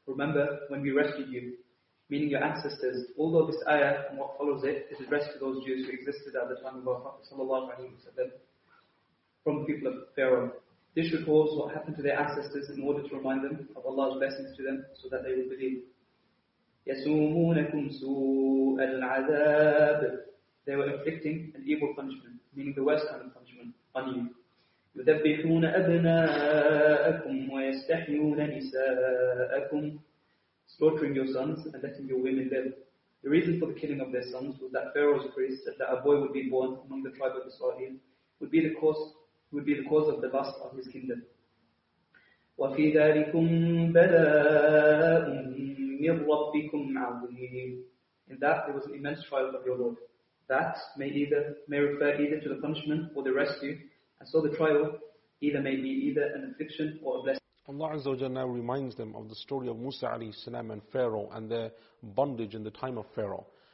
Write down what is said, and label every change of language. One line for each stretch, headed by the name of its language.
English: Remember when we rescued you, meaning your ancestors. Although this ayah and what follows it is addressed to those Jews who existed at the time of our Prophet sallallahu alaihi wasallam from the people of Pharaoh. This recalls what happened to their ancestors in order to remind them of Allah's blessings to them so that they will believe.
Arabic: يَسُومُونَكُمْ سُوءَ الْعَذَابِ.
English: They were inflicting an evil punishment, meaning the worst kind of punishment, on you.
Arabic: يذبحون أبناءكم ويستحيون نساءكم.
English: Slaughtering your sons and letting your women live. The reason for the killing of their sons was that Pharaoh's priest said that a boy would be born among the tribe of Israel would be the cause of the loss of his kingdom.
Arabic: وفي ذلكم بلاء من ربكم عظيم.
English: In that there was an immense trial of your Lord. That may refer either to the punishment or the rescue. And so the trial either may be either an affliction or a blessing. Allah Azza wa Jalla now reminds them of the story of Musa alayhi salam and Pharaoh and their bondage in the time of Pharaoh.